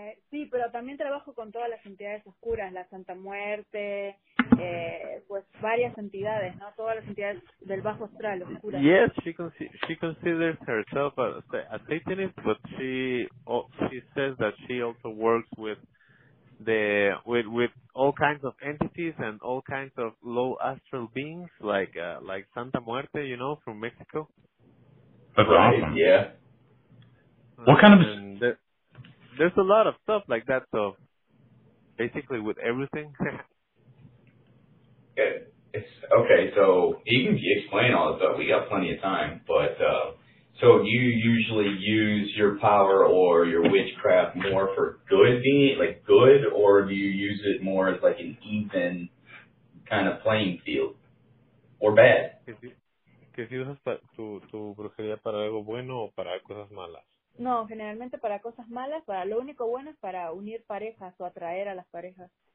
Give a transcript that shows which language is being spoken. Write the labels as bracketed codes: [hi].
[es] Sí, pero también trabajo con todas las entidades oscuras, la Santa Muerte, pues varias entidades, ¿no? Todas las entidades del bajo astral oscuras. [en] Yes, she considers herself a Satanist, but she says that she also works with with all kinds of entities and all kinds of low astral beings, like Santa Muerte, you know, from Mexico. That's right, awesome. Yeah. What kind of... There's a lot of stuff like that, so basically with everything. Okay, so even if you explain all this stuff, we got plenty of time, but so you usually use your power or your witchcraft more for good, good, or do you use it more as like an even kind of playing field or bad? [es] ¿Qué si usas tu brujería para algo bueno o para cosas malas? No, generalmente para cosas malas, para lo único bueno es para unir parejas o atraer a las parejas.